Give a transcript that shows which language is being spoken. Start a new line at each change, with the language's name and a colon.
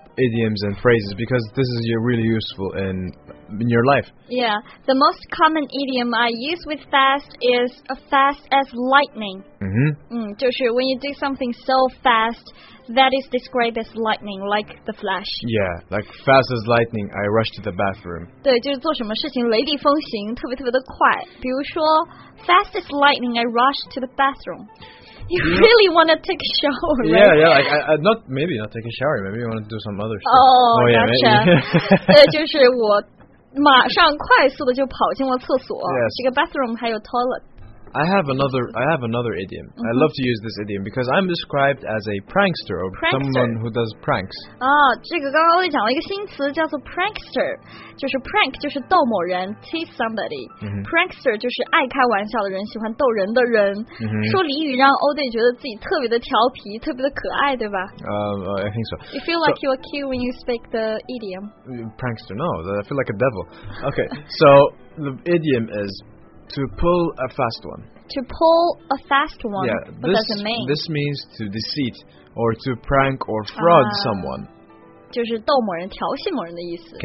English: Idioms and phrases because this is really useful in your life. Yeah, the most common idiom I use with fast is a fast as lightning. Mm-hmm. Mm,
Chinese: 就是
English: when you do something so fast, that is described as lightning, like the flash. Yeah, like fast as lightning, I rush to the bathroom.
Chinese: 对，就是做什么事情雷厉风行，特别特别的快。比如说
English: fast as lightning, I rush to the bathroom. You really want to take a shower, right? Yeah, yeah. Like, maybe not take a shower. Maybe you want to do some other stuff. Oh, yeah, gotcha.
Chinese: 对，就是我马上快速的就跑进了厕所。
English: Yes.
Chinese: 这个 bathroom 还有 toilet.
English: I have another idiom.、 Mm-hmm. I love to use this idiom because I'm described as a prankster or prankster. Someone who does pranks.
Chinese: 啊，这个刚刚我也讲了一个新词，叫做 prankster. 就是 prank 就是逗某人
English: tease somebody.、 Mm-hmm.
Chinese: Prankster 就是爱开玩笑的人，喜欢逗人的人。 Mm-hmm. 说俚语让 Oday 觉得自己特别的调皮，特别的可爱，对吧？
English: I think so. You feel like you are cute when you speak the idiom. Prankster, no. I feel like a devil. Okay, so the idiom is. To pull a fast one. To pull a fast one. Yeah, what does it mean? This means to deceit or to prank or fraud someone.
Chinese: 就是逗某人、调戏某人的意思。